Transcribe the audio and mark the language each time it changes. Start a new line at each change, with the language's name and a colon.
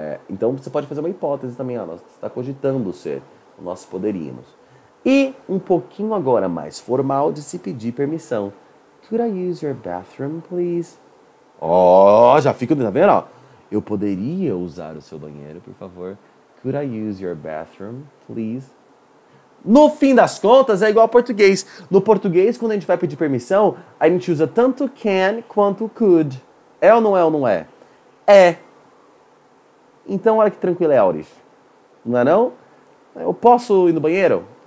Portuguese: Então você pode fazer uma hipótese também, ó. Nós está cogitando ser. Nós poderíamos. E um pouquinho agora mais formal de se pedir permissão.
English: Could I use your bathroom, please?
Portuguese: Ó, já fica, tá vendo, ó? Eu poderia usar o seu banheiro, por favor.
English: Could I use your bathroom, please?
Portuguese: No fim das contas, é igual ao português. No português, quando a gente vai pedir permissão, a gente usa tanto can quanto could. É ou não é ou não é? É. Então, olha que tranquilo é, Aurif. Não é não? Eu posso ir no banheiro?